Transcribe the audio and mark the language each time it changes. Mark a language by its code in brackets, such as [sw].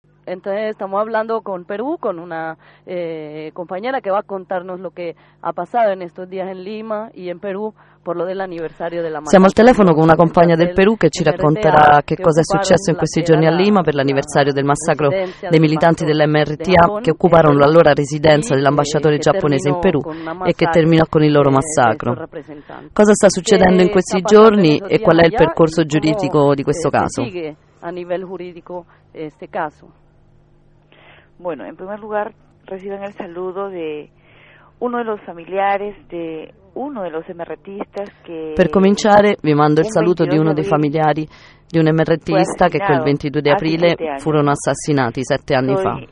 [es] Entonces estamos hablando con Perú, con una compañera que va a contarnos lo que ha pasado en estos días en Lima y en Perú por lo del aniversario de la [it] masacre. Siamo al telefono con una compagna del Perú che ci racconterà che cosa è successo in questi giorni a Lima per l'anniversario del massacro dei militanti dell'MRTA che occuparono l'allora residenza dell'ambasciatore giapponese in Perù e che terminò con il loro massacro. Cosa sta succedendo in questi giorni e qual è il percorso giuridico di questo caso? A livello giuridico questo caso. [es] Bueno, en primer lugar reciben el saludo de uno de los familiares de uno de los MRTistas que. [it] Per cominciare vi mando il saluto di uno dei familiari di un MRTista che quel 22 di aprile furono assassinati 7 anni fa.